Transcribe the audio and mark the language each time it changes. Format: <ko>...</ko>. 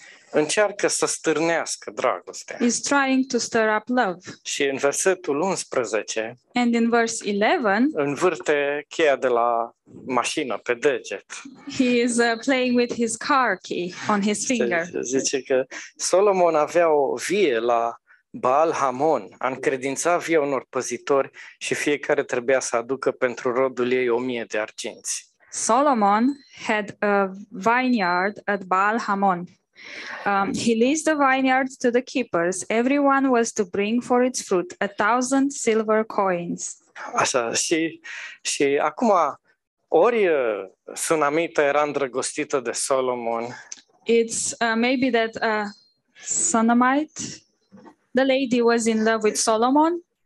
<ro>Încearcă să stârnească dragostea.</ro> <en>Is trying to stir up love.</en> <ro>Și în versetul 11.</ro> <en>And in verse 11.</en> <ro>Învârte cheia de la mașină pe deget.</ro> <en>He is playing with his car key on his finger.</en> <ro>Zice că Solomon avea o vie la Baal Hamon, a încredințat via unor păzitori și fiecare trebuia să aducă pentru rodul ei 1000 de arginți.</ro> <en>Solomon had a vineyard at Baal Hamon. He leased the vineyard to the keepers. Everyone was to bring for its fruit 1,000 silver coins.</en> <ro>Așa, și acum, ori Sunamita era îndrăgostită de Solomon.</ro> <en>It's maybe that Sunamite, the lady was in love with Solomon.</en>